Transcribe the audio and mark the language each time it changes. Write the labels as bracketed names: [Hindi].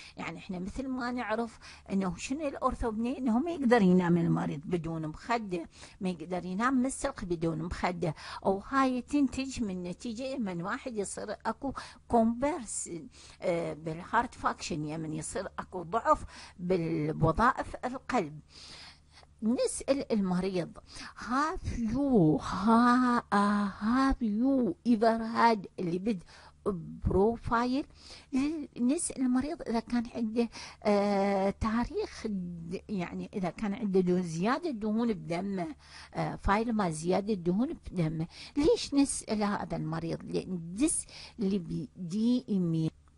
[Arabic] يعني احنا مثل ما نعرف انه شنو الاورثوبنيه، انه ما يقدر ينام المريض بدون مخده، ما يقدر ينام من السلق بدون مخده، او هاي تنتج من نتيجه من واحد يصير اكو كومبرس بالهارت فاكشن، يا من يصير اكو ضعف وظائف القلب. نسأل المريض [English] have you ever had lipid profile. [Arabic] نسأل المريض إذا كان عنده تاريخ، يعني إذا كان عنده زيادة دهون بدمه، فايل ما زيادة دهون بدمه. ليش نسأل هذا المريض؟ لأن dyslipidemia.